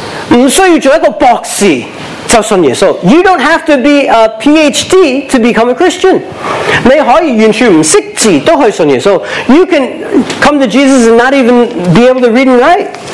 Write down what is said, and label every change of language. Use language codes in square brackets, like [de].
[zh] 你是不需要做一个博士就信耶稣。 [en] You don't have to be a PhD to become a Christian. [zh] 你可以完全不识字都可以信耶稣。 [en] You can come to Jesus and not even be able to read and write.